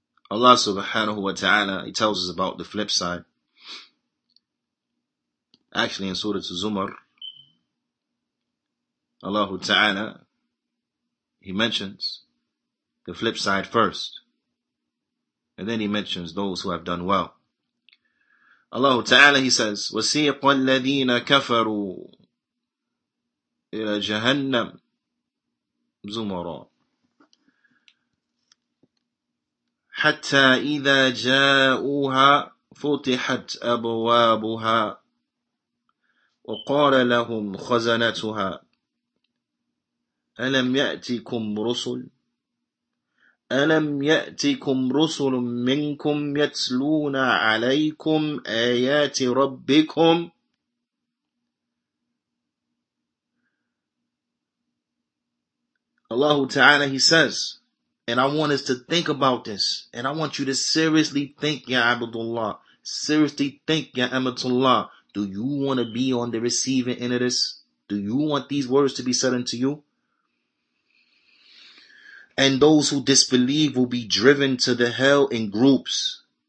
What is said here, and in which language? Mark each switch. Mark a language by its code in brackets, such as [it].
[en] Allah subhanahu wa ta'ala, He tells us about the flip side. Actually, in Surah Zumar, Allah ta'ala, He mentions the flip side first. And then He mentions those who have done well. Allah ta'ala, He says, [ar] وَسِيقَ الَّذِينَ كَفَرُوا إِلَى جَهَنَّمْ زُمَرًا حتى إذا جاءوها فتحت أبوابها وقال لهم خزنتها ألم يأتكم رسل منكم يتلون عليكم آيات ربكم [en] الله تعالى He says, and I want us to think about this. And I want you to seriously think, Ya Abdullah. Seriously think, Ya Amatullah. Do you want to be on the receiving end of this? Do you want these words to be said unto you? And those who disbelieve will be driven to the hell in groups.